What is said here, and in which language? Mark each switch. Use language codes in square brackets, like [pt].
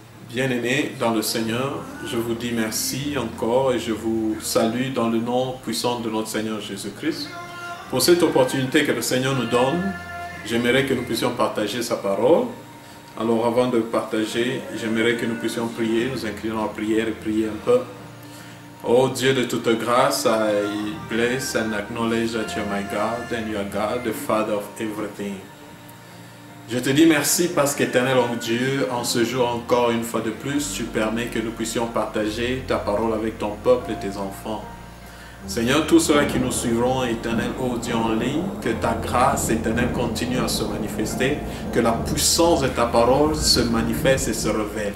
[fr] Bien-aimés dans le Seigneur, je vous dis merci encore et je vous salue dans le nom puissant de notre Seigneur Jésus-Christ. Pour cette opportunité que le Seigneur nous donne, j'aimerais que nous puissions partager sa parole. Alors avant de partager, j'aimerais que nous puissions prier, nous inclinons en prière et prier un peu. Oh Dieu de toute grâce, [en] I bless and acknowledge that you are my God and you are God, the Father of everything. [fr] Je te dis merci parce qu'éternel oh Dieu, en ce jour encore une fois de plus, tu permets que nous puissions partager ta parole avec ton peuple et tes enfants. Seigneur, tous ceux qui nous suivront, éternel oh Dieu en ligne, que ta grâce éternelle continue à se manifester, que la puissance de ta parole se manifeste et se révèle.